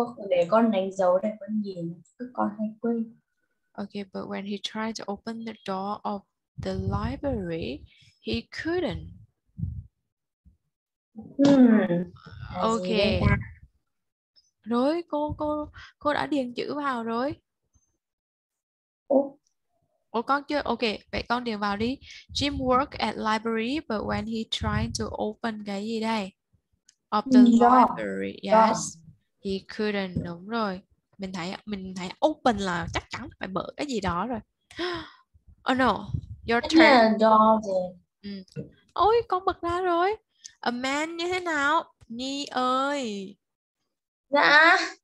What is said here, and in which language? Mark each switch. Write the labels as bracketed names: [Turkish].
[Vietnamese] Để con đánh dấu để con nhìn, cứ con hay quên. [English] Okay, but when he tried to open the door of the library, he couldn't. Okay. [Vietnamese] Rồi cô đã điền chữ vào rồi. Ủa con chưa? Okay, vậy con điền vào đi. [English] Jim worked at library, but when he tried to open [Vietnamese] cái gì đây? [English] Of the library, yes. He couldn't. [Vietnamese] Đúng rồi. Mình thấy open là chắc chắn phải mở cái gì đó rồi. [English] Oh no, your turn. [Vietnamese] Ôi, con bật ra rồi. A man như thế nào? Nhi ơi. Dạ.